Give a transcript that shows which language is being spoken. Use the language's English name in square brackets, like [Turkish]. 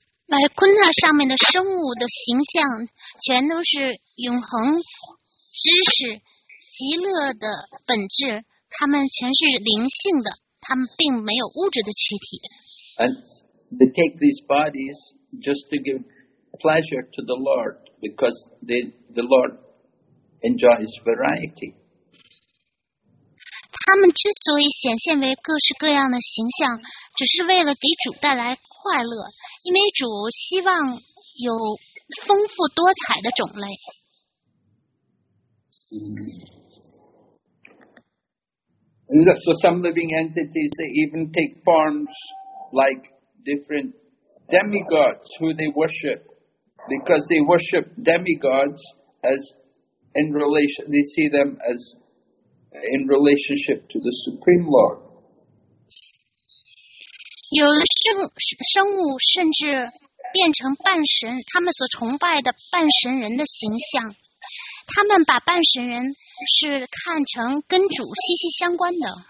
[Chinese] 在昆特上面的生物的形象全都是永恒知识极乐的本质，他们全是灵性的，他们并没有物质的躯体。 [English] And they take these bodies just to give pleasure to the Lord because the Lord enjoys variety. [Chinese] 他们之所以显现为各式各样的形象，只是为了给主带来快乐，因为主希望有丰富多彩的种类。 [English] So some living entities, they even take forms like different demigods who they worship, because they worship demigods as in relation, they see them as in relationship to the Supreme Lord. [Chinese] 有了生物甚至变成半神，他们所崇拜的半神人的形象，他们把半神人是看成跟主息息相关的。